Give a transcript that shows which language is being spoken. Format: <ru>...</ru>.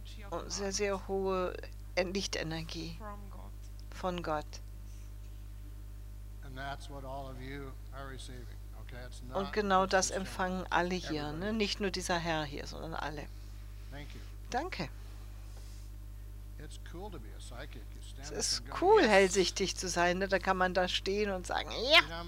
<de>Und sehr, sehr hohe Lichtenergie. Von Gott.</de> <en>And that's what all of you are receiving. Okay, it's not.</en> <de>Und genau das empfangen alle hier, ne? Nicht nur dieser Herr hier, sondern alle.</de> <en>Thank you.</en> <de>Danke.</de> <en>It's cool to be a psychic. You stand</en> <de>es ist and cool, hellsichtig zu sein, ne? Da kann man da stehen und sagen, ja.</de>